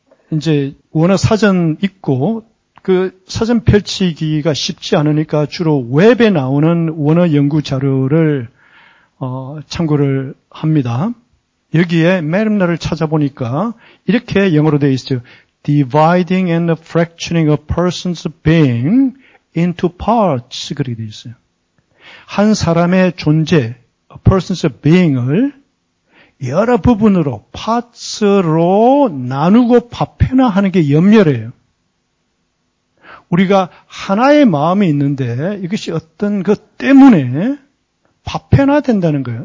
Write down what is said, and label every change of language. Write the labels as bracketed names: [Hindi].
[Korean] 이제 워낙 사전 있고 그 사전 펼치기가 쉽지 않으니까 주로 웹에 나오는 원어 연구 자료를 참고를 합니다. 여기에 메림나를 찾아보니까 이렇게 영어로 되어 있어요. [English] Dividing and fracturing a person's being into parts [Korean] 그렇게 되어 있어요. 한 사람의 존재, [English] a person's being [Korean] 을 여러 부분으로, 파츠로 나누고 파편화 하는 게 염려래요. 우리가 하나의 마음이 있는데 이것이 어떤 것 때문에 파편화 된다는 거예요.